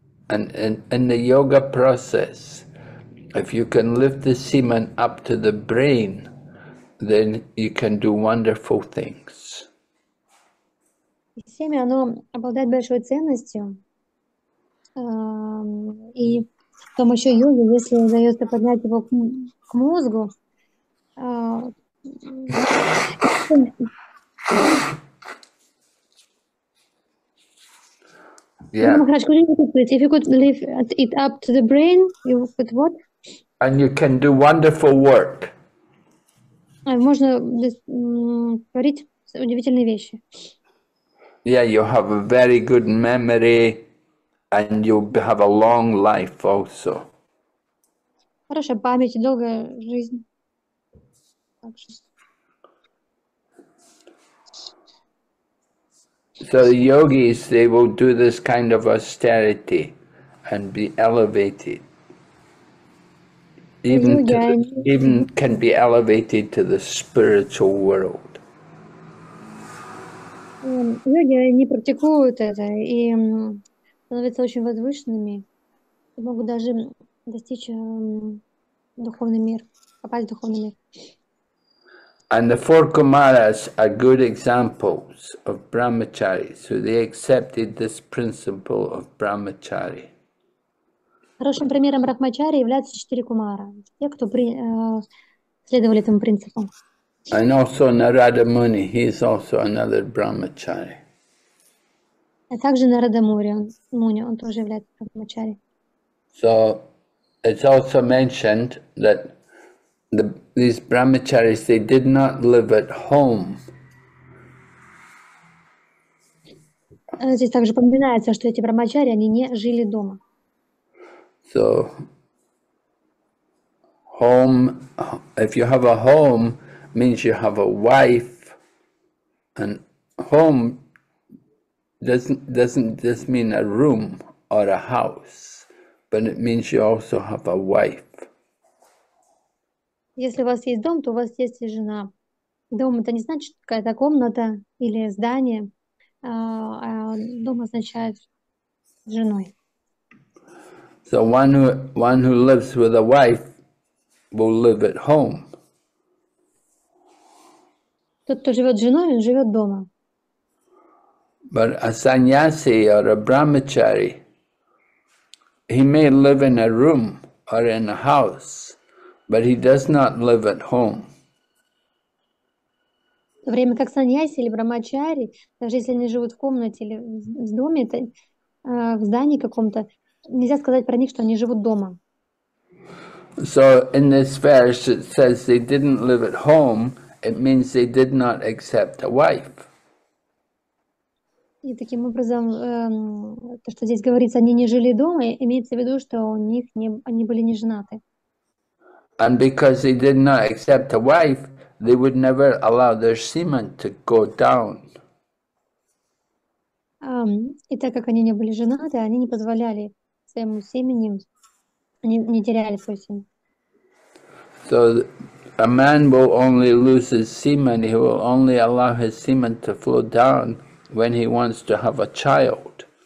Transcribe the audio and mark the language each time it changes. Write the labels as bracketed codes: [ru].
[en] And in the yoga process, if you can lift the semen up to the brain, then you can do wonderful things. [ru] Семя, оно обладает большой ценностью. И потом еще йоги, если удается поднять его к мозгу, [en] yeah. If you could lift it up to the brain, you could what? And you can do wonderful work. [ru] Можно говорить удивительные вещи. [en] Yeah, you have a very good memory. And you'll have a long life also. [ru] Хорошая память и долгая жизнь. Так что... [en] So the yogis, they will do this kind of austerity and be elevated. Even, even can be elevated to the spiritual world. [ru] Йоги, они практикуют это, и... становятся очень возвышенными и могут даже достичь духовный мир, попасть в духовный мир. [en] And the four Kumaras are good examples of brahmacharis, so they accepted this principle of brahmachari. [ru] Хорошим примером брахмачари являются четыре кумара, те, кто следовали этому принципу. [en] And also Narada Muni, he is also another brahmachari. [ru] А также Нарада Муни, он тоже является брахмачари. [en] So, it's also mentioned that these brahmacharis, they did not live at home. [ru] Здесь также упоминается, что эти брахмачари, они не жили дома. [en] So, home, if you have a home, means you have a wife, and home Doesn't this mean a room or a house, but it means you also have a wife. [ru] Если у вас есть дом, то у вас есть и жена. Дом — это не значит какая-то комната или здание, а дом означает женой. [en] So one who lives with a wife will live at home. [ru] Тот, кто живет с женой, он живет дома. [en] But a sannyasi or a brahmachari, he may live in a room or in a house, but he does not live at home. [ru] В то время как саньяси или брамачари, даже если они живут в комнате или в доме, это, в здании каком-то, нельзя сказать про них, что они живут дома. [en] So in this verse it says they didn't live at home, it means they did not accept a wife. [ru] И таким образом, то, что здесь говорится, они не жили дома, имеется в виду, что у них не, они были не женаты. [en] And because they did not accept a wife, they would never allow their semen to go down. [ru] И так как они не были женаты, они не позволяли своему семени, не теряли свой семя. [en] So a man will only lose his semen, he will only allow his semen to flow down when he wants to have a child.